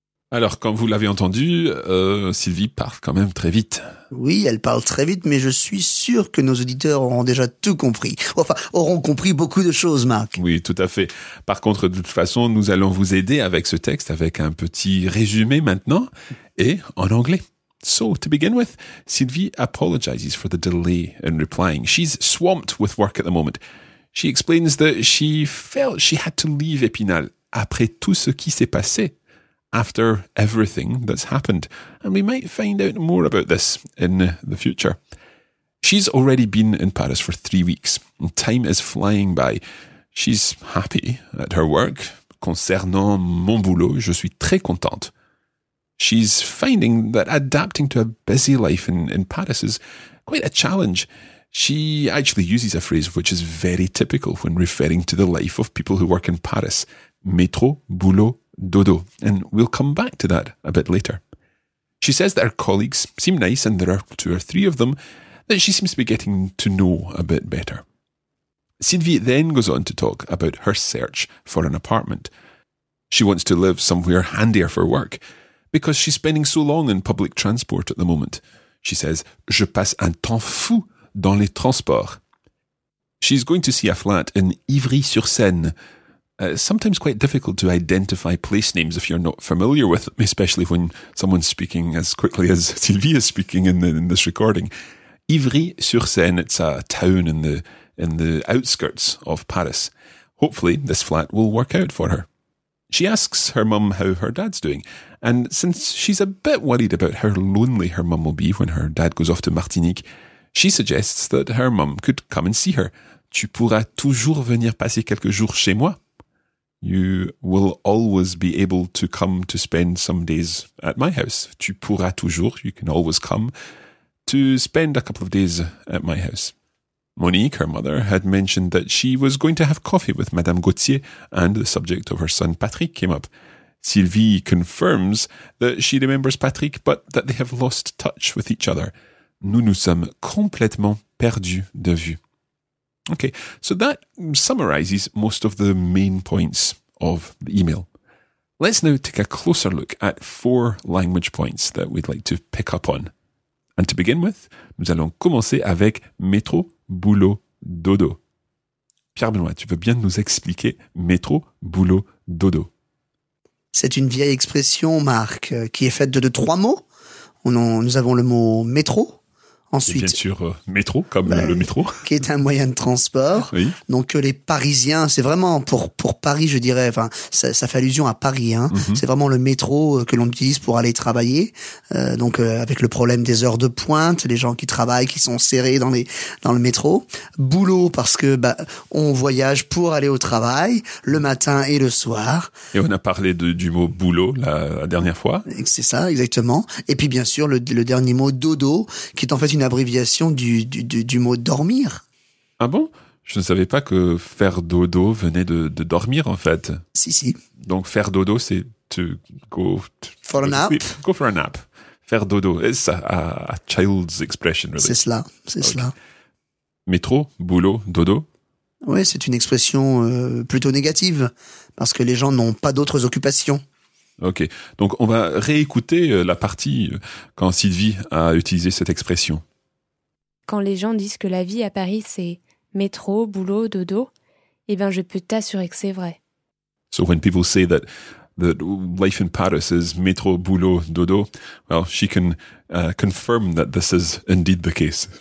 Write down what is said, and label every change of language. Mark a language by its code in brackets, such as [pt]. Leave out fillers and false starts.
[fr] Alors, comme vous l'avez entendu, Sylvie parle quand même très vite. Oui, elle parle très vite, mais je suis sûr que nos auditeurs auront déjà tout compris. Enfin, auront compris beaucoup de choses, Marc. Oui, tout à fait. Par contre, de toute façon, nous allons vous aider avec ce texte, avec un petit résumé maintenant, et en anglais. [en] So, to begin with, Sylvie apologizes for the delay in replying. She's swamped with work at the moment. She explains that she felt she had to leave Épinal [fr] après tout ce qui s'est passé. [en] After everything that's happened, and we might find out more about this in the future. She's already been in Paris for 3 weeks, and time is flying by. She's happy at her work. [fr] Concernant mon boulot, je suis très contente. [en] She's finding that adapting to a busy life in Paris is quite a challenge. She actually uses a phrase which is very typical when referring to the life of people who work in Paris. Métro, boulot, dodo, and we'll come back to that a bit later. She says that her colleagues seem nice, and there are two or three of them that she seems to be getting to know a bit better. Sylvie then goes on to talk about her search for an apartment. She wants to live somewhere handier for work, because she's spending so long in public transport at the moment. She says, [fr] je passe un temps fou dans les transports. [en] She's going to see a flat in Ivry-sur-Seine. Sometimes quite difficult to identify place names if you're not familiar with them, especially when someone's speaking as quickly as Sylvie is speaking in this recording. Ivry-sur-Seine, it's a town in the outskirts of Paris. Hopefully this flat will work out for her. She asks her mum how her dad's doing, and since she's a bit worried about how lonely her mum will be when her dad goes off to Martinique, she suggests that her mum could come and see her. [fr] Tu pourras toujours venir passer quelques jours chez moi? [en] You will always be able to come to spend some days at my house. [fr] Tu pourras toujours, [en] you can always come, to spend a couple of days at my house. Monique, her mother, had mentioned that she was going to have coffee with Madame Gauthier, and the subject of her son Patrick came up. Sylvie confirms that she remembers Patrick, but that they have lost touch with each other. Nous nous sommes complètement perdus de vue. Okay, so that summarizes most of the main points of the email. Let's now take a closer look at 4 language points that we'd like to pick up on. And to begin with, [fr] nous allons commencer avec métro, boulot, dodo. Pierre-Benoît, tu veux bien nous expliquer métro, boulot, dodo? C'est une vieille expression, Marc, qui est faite de 3 mots. Nous avons le mot métro. Ensuite, bien sûr, métro, comme le métro. Qui est un moyen de transport. Oui. Donc, les Parisiens, c'est vraiment pour Paris, je dirais, enfin, ça fait allusion à Paris, hein. Mm-hmm. C'est vraiment le métro que l'on utilise pour aller travailler. Avec le problème des heures de pointe, les gens qui travaillent, qui sont serrés dans le métro. Boulot, parce que, on voyage pour aller au travail, le matin et le soir. Et on a parlé du mot boulot la dernière fois. C'est ça, exactement. Et puis, bien sûr, le dernier mot, dodo, qui est en fait une abréviation du mot dormir. Ah bon? Je ne savais pas que faire dodo venait de dormir, en fait. Si, si. Donc, faire dodo, c'est [en] go for a nap. Faire dodo, it's a child's expression, really. [fr] C'est cela. Métro, boulot, dodo. Oui, c'est une expression plutôt négative, parce que les gens n'ont pas d'autres occupations. Ok, donc on va réécouter la partie quand Sylvie a utilisé cette expression. Quand les gens disent que la vie à Paris, c'est métro, boulot, dodo, eh bien je peux t'assurer que c'est vrai. [en] So when people say that life in Paris is métro, boulot, dodo, well, she can confirm that this is indeed the case.